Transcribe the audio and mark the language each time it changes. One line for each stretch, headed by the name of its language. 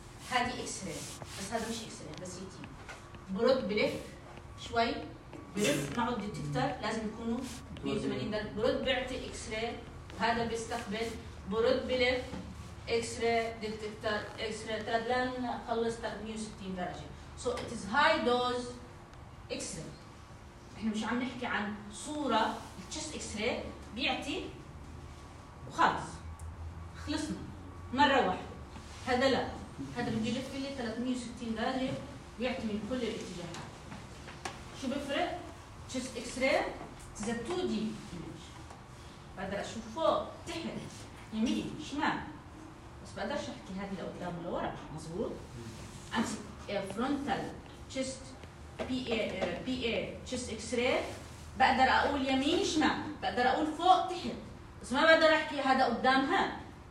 Arabic: هذه اكس راي، بس هذا مش اكس راي، بس تيوب برد بلف شوي، بلف معه الديتكتر لازم يكونوا 180 درجة، برد بيعطي اكس راي وهذا بيستقبل، برد بلف اكس راي ديتكتر اكس راي تلات لان خلصت 160 درجة.
English: So it is high dose X ray.
Arabic: احنا مش عم نحكي عن صورة الشست اكس راي بيعطي وخلص خلصنا مرة واحدة، هذا لا، هذا بدي لف لي 360 درجة ويعطي من كل الاتجاهات. شو بفرق؟ تشيس اكس راي اذا 2D بقدر اشوف فوق تحت يمين شمال، بس بقدرش احكي هذه لقدام ولا ورا، مزبوط؟ امسك فرونتال تشيس بي اي تشيس اكس راي بقدر اقول يمين شمال، بقدر اقول فوق تحت، بس ما بقدر احكي هذا قدام هاد.